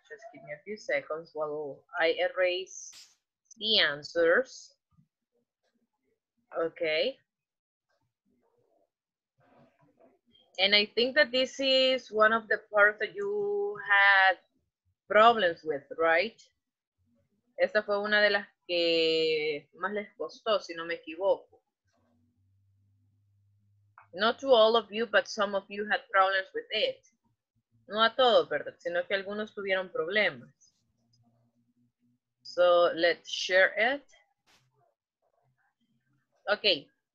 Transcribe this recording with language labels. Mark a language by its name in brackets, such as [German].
[English] Just give me a few seconds while I erase the answers. Okay. And I think that this is one of the parts that you had problems with, right? [Spanish] Esta fue una de las que más les costó, si no me equivoco. [English] Not to all of you, but some of you had problems with it. [Spanish] No a todos, ¿verdad? Sino que algunos tuvieron problemas. [English] So, let's share it. Okay.